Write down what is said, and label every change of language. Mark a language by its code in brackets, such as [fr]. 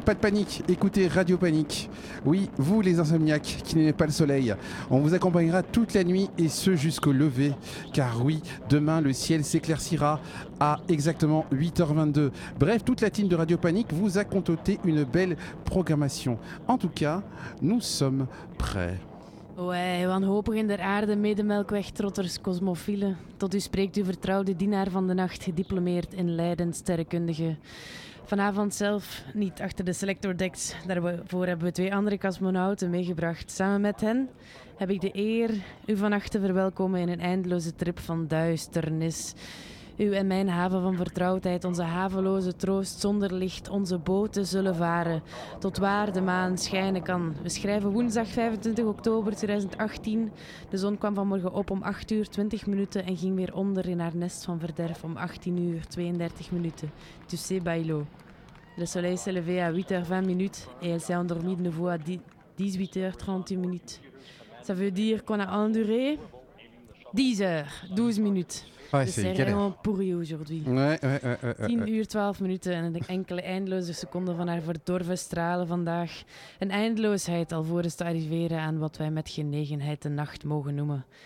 [fr] Pas de panique, écoutez Radio Panique. Oui, vous les insomniaques qui n'aimez pas le soleil, on vous accompagnera toute la nuit et ce jusqu'au lever. Car oui, demain le ciel s'éclaircira à exactement 8h22. Bref, toute la team de Radio Panique vous a concocté une belle programmation. En tout cas, nous sommes prêts. [nl] Ouais, wanhopig in der aarde, medemelkwegtrotters, cosmofielen. Tot u spreekt uw vertrouwde dienaar van de nacht, gediplomeerd in Leiden, sterrenkundige. Vanavond zelf, niet achter de selector decks, daarvoor hebben we twee andere cosmonauten meegebracht. Samen met hen heb ik de eer u vannacht te verwelkomen in een eindeloze trip van duisternis. U en mijn haven van vertrouwdheid, onze haveloze troost zonder licht, onze boten zullen varen tot waar de maan schijnen kan. We schrijven woensdag 25 oktober 2018. De zon kwam vanmorgen op om 8 uur 20 minuten en ging weer onder in haar nest van verderf om 18 uur 32 minuten. [fr] Tu sais, Bailo. Le soleil s'est levé à 8 heures 20 minutes et elle s'est endormie de nouveau à 18 heures 31 minutes. Ça veut dire qu'on a enduré 10 heures 12 minutes. Ouais, c'est vraiment pourri aujourd'hui. [nl] 10 uur, 12 minuten en enkele eindeloze seconden van haar verdorven stralen vandaag. Een eindeloosheid alvorens te arriveren aan wat wij met genegenheid de nacht mogen noemen.